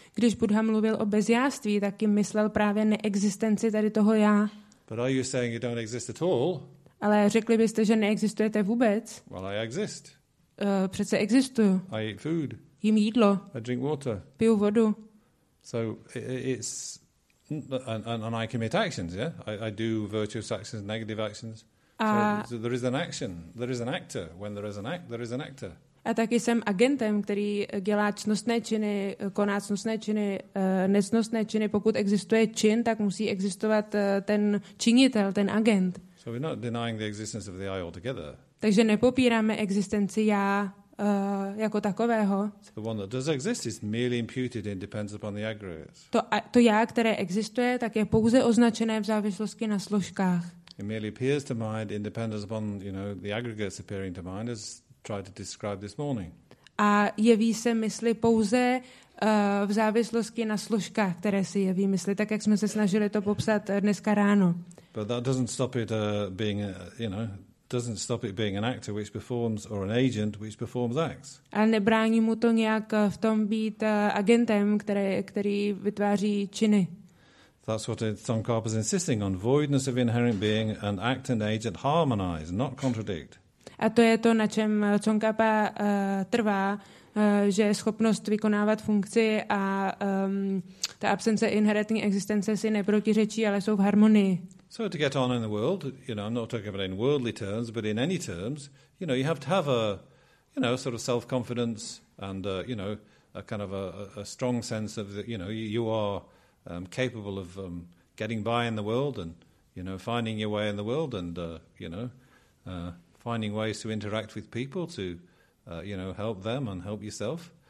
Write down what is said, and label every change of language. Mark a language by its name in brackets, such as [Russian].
[Czech] Když Buddha mluvil o bezjáství, tak jim myslel právě neexistenci tady toho já. [English] But are you saying you don't exist at all? [Czech] Ale řekli byste, že neexistujete vůbec? [English] Well, I exist. [Czech] Přece existuju. [English] I eat food. [Czech] Jím jídlo. [English] I drink water. [Czech] Piju vodu. [English] So it's and I commit actions, yeah? I do virtuous actions, negative actions. So there is an action. There is an actor. When there is an act, there is an actor. [Czech] A taky jsem agentem, který dělá cnostné činy, koná cnostné činy, necnostné činy. Pokud existuje čin, tak musí existovat ten činitel, ten agent. [English] So we're not denying the existence of the I altogether. [Czech] Takže nepopíráme existenci já jako takového. [English] The one that does exist is merely imputed and depends upon the aggregates. [Czech] To já, které existuje, tak je pouze označené v závislosti na složkách. [English] It merely appears to mind in dependence upon, you know, the aggregates appearing to mind as tried to describe this morning. [Czech] A jeví se mysli pouze v závislosti na složkách, které se jeví mysli, tak jak jsme se snažili to popsat dneska ráno. [English] But that doesn't stop it being you know, doesn't stop it being an actor which performs or an agent which performs acts. [Czech] A nebrání mu to nějak v tom být agentem, který vytváří činy. [English] That's what Tsongkhapa is insisting on, voidness of inherent being and act and agent harmonize, not contradict. [Czech] A to je to, na čem Tsongkhapa trvá, že schopnost vykonávat funkci a ta absence inherentní existence si neprotiřečí, ale jsou v harmonii. [English] So to get on in the world, you know, I'm not talking about in worldly terms, but in any terms, you know, you have to have a, you know, sort of self-confidence and, you know, a kind of a strong sense of, the, you know, you are capable of getting by in the world and, you know, finding your way in the world and, you know, finding ways to interact with people to, you know, help them and help yourself.